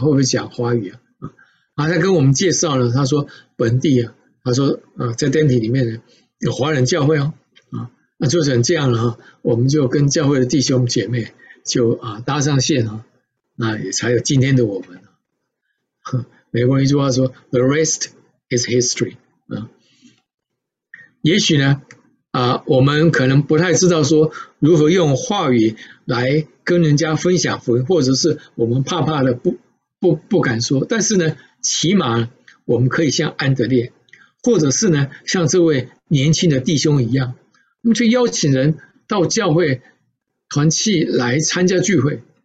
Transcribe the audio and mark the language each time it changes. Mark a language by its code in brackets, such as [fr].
[zh] 会不会讲华语啊？” 啊，他跟我们介绍了，他说本地啊，他说在 Dayton 里面有华人教会哦。那就是这样了，我们就跟教会的弟兄姐妹就搭上线了，那也才有今天的我们。美国人一句话说 [en] The rest is history。 [zh] 也许呢我们可能不太知道说如何用话语来跟人家分享福音，或者是我们怕怕的不敢说，但是呢起码我们可以像安德烈，或者是呢像这位年轻的弟兄一样，我们去邀请人到教会团契来参加聚会。